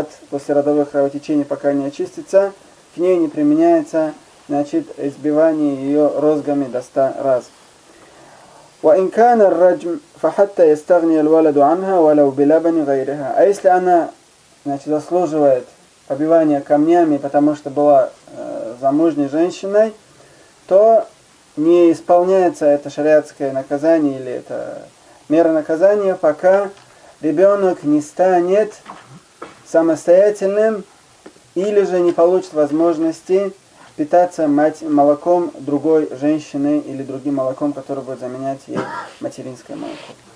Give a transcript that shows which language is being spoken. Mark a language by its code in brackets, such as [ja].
[ru] После родовых кровотечений, пока не очистится, к ней не применяется, значит, избивание ее розгами до 100 раз. [ar] وإن كان الرجم فحتى يستغني الولد عنها ولو بلبن غيرها. [ru] А если она, значит, заслуживает побивания камнями, потому что была замужней женщиной, то не исполняется это шариатское наказание или это мера наказания, пока ребенок не станет самостоятельным или же не получит возможности питаться молоком другой женщины или другим молоком, который будет заменять ей материнское молоко.